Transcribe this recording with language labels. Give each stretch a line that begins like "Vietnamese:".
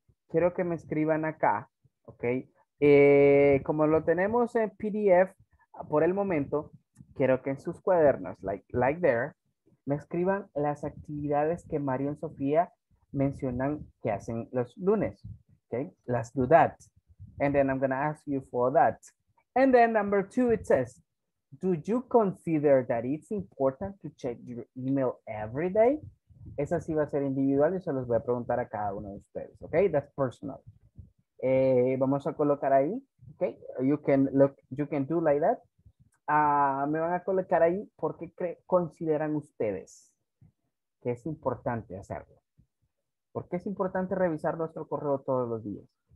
Spanish: Quiero que me escriban acá, okay? Como lo tenemos en PDF por el momento, quiero que en sus cuadernos, like there, me escriban las actividades que Mario y Sofía mencionan que hacen los lunes. Okay?
English: Let's do that. And then I'm going to ask you for that. And then number two, it says, do you consider that it's important to check your email every day?
Spanish: Esa sí va a ser individual y se los voy a preguntar a cada uno de ustedes. Okay?
English: That's personal.
Spanish: Vamos a colocar ahí. Okay?
English: You can look, you can do like that.
Spanish: Me van a colocar ahí porque consideran ustedes que es importante hacerlo. Porque es importante revisar nuestro correo todos los días.